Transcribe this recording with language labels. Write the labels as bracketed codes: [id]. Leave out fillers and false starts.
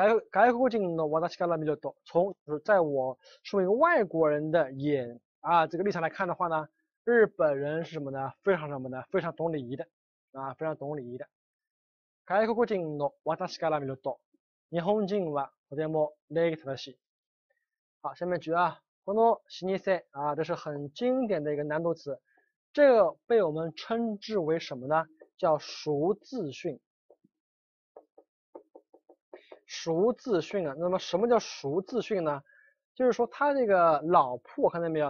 [ja] 外国人の私から見ると、 [zh] 从就是在我身为一个外国人的眼啊这个立场来看的话呢，日本人是什么呢？非常什么呢？非常懂礼仪的啊，非常懂礼仪的。 [ja] 外国人の私から見ると、日本人は、とても、礼儀正しい。 [zh] 好，下面举啊，この老舗啊，这是很经典的一个难读词，这个被我们称之为什么呢？叫熟字训。熟字训啊，那么什么叫熟字训呢？就是说它这个老铺，看见没有？